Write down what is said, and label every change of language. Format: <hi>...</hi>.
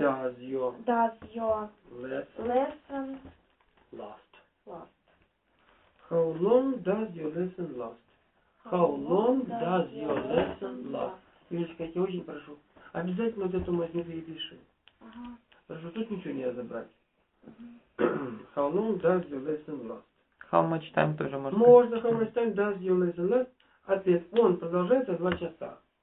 <en>Does your lesson last? How long does your lesson last? How long does your lesson last?</en> <ru>Юлечка, я тебя очень прошу, обязательно вот эту мазню перепиши. Ага. Прошу, тут ничего не разобрать.</ru> <en>Uh-huh. How long does your lesson last? How much time</en> <ru>тоже можно. Можно,</ru> <en>how much time does your lesson last?</en> <ru>Ответ, он продолжается 2 часа.</ru>